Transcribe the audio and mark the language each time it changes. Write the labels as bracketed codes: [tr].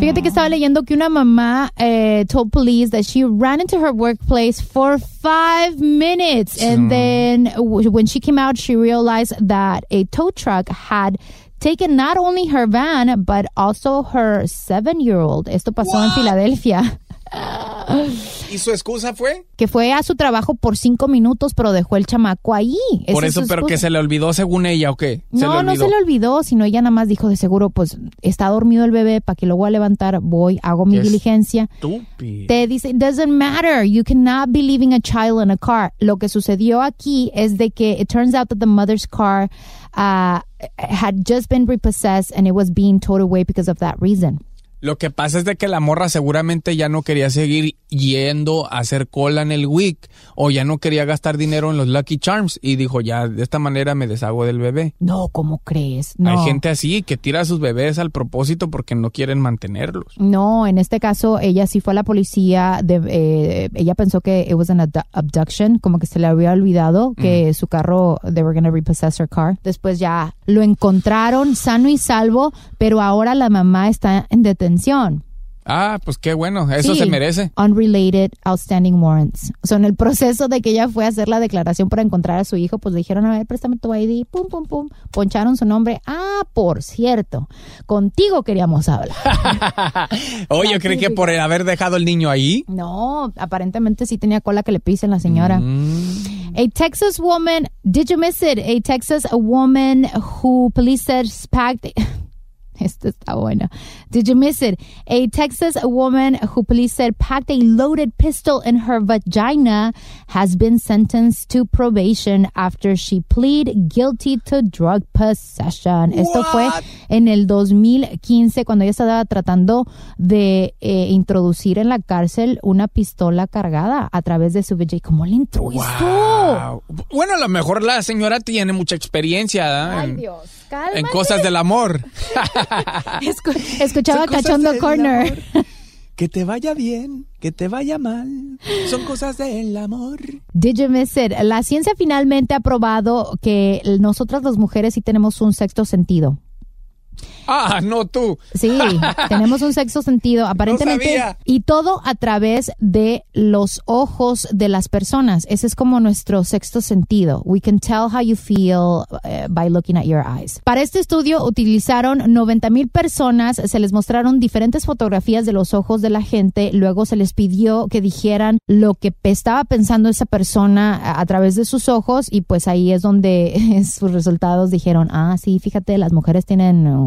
[es] Fíjate que estaba leyendo que una mamá [en] told police that she ran into her workplace for 5 minutes. And then when she came out, she realized that a tow truck had taken not only her van, but also her 7-year-old. [es] Esto pasó en Filadelfia. ¿Y su excusa fue? Que fue a su trabajo por 5 minutos, pero dejó el chamaco ahí. Por eso, pero que se le olvidó según ella, ¿o qué? No se le olvidó, sino ella nada más dijo de seguro, pues está dormido el bebé, para que lo voy a levantar, voy, hago mi diligencia. Estúpido. Te dice, [en] it doesn't matter, you cannot be leaving a child in a car. [es] Lo que sucedió aquí es de que [en] it turns out that the mother's car had just been repossessed and it was being towed away because of that reason. [es] Lo que pasa es de que la morra seguramente ya no quería seguir yendo a hacer cola en el WIC, o ya no quería gastar dinero en los Lucky Charms, y dijo, ya, de esta manera me deshago del bebé. No, ¿cómo crees? No. Hay gente así que tira a sus bebés al propósito porque no quieren mantenerlos. No, en este caso, ella sí fue a la policía, ella pensó que [en] it was an abduction, [es] como que se le había olvidado que su carro, [en] they were going to repossess her car. [es] Después ya lo encontraron sano y salvo, pero ahora la mamá está en detención. Ah, pues qué bueno, eso sí, se merece. [en] Unrelated outstanding warrants. [es] O sea, en el proceso de que ella fue a hacer la declaración para encontrar a su hijo, pues le dijeron, a ver, préstame tu ID, pum, pum, pum, poncharon su nombre. Ah, por cierto, contigo queríamos hablar. Oye, yo creí que por el haber dejado el niño ahí. No, aparentemente sí tenía cola que le pisen la señora. [en] A Texas woman, did you miss it? A Texas woman who police said packed... [es] Esto está bueno. [en] Did you miss it? A Texas woman who police said packed a loaded pistol in her vagina has been sentenced to probation after she pleaded guilty to drug possession. What? [es] Esto fue en el 2015 cuando ella estaba tratando de introducir en la cárcel una pistola cargada a través de su vagina. ¿Cómo le entró esto? Wow. Bueno, a lo mejor la señora tiene mucha experiencia. ¿Eh? Ay, Dios. Cálmate. En cosas del amor. Escuchaba Cachondo Corner. Que te vaya bien, que te vaya mal. Son cosas del amor. [en] Did you miss it? [es] La ciencia finalmente ha probado que nosotras las mujeres sí tenemos un sexto sentido. Ah, no tú. Sí, tenemos un sexto sentido, aparentemente. No sabía. Y todo a través de los ojos de las personas. Ese es como nuestro sexto sentido. [en] We can tell how you feel by looking at your eyes. [es] Para este estudio utilizaron 90,000 personas, se les mostraron diferentes fotografías de los ojos de la gente, luego se les pidió que dijeran lo que estaba pensando esa persona a través de sus ojos, y pues ahí es donde sus resultados dijeron, ah, sí, fíjate, las mujeres tienen